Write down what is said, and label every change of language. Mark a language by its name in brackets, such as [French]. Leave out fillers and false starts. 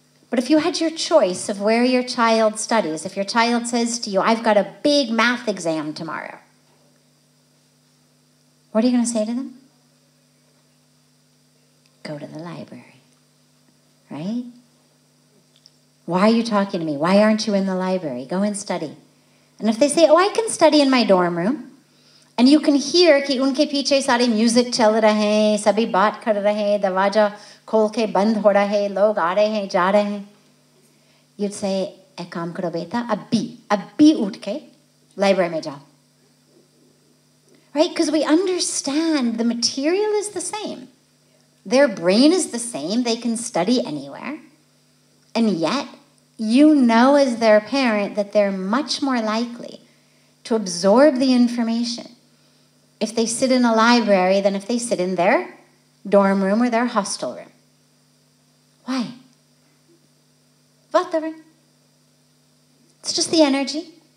[English] But if you had your choice of where your child studies, if your child says to you, I've got a big math exam tomorrow, what are you going to say to them? Go to the library, right? Why are you talking to me? Why aren't you in the library? Go and study. And if they say, oh, I can study in my dorm room, and you can hear [Hindi] कि उनके पीछे सारी music चल रहे, सभी बात कर रहे, दरवाजा खोल के बंद हो रहे, लोग आ रहे हैं, जा रहे हैं, [English] you'd say, [Hindi] एक काम करो बेटा, अभी उठ के library में जाओ. [English] Right? Because we understand the material is the same. Their brain is the same. They can study anywhere. And yet, you know as their parent that they're much more likely to absorb the information if they sit in a library than if they sit in their dorm room or their hostel room. Why? Vatavaran. It's just the energy.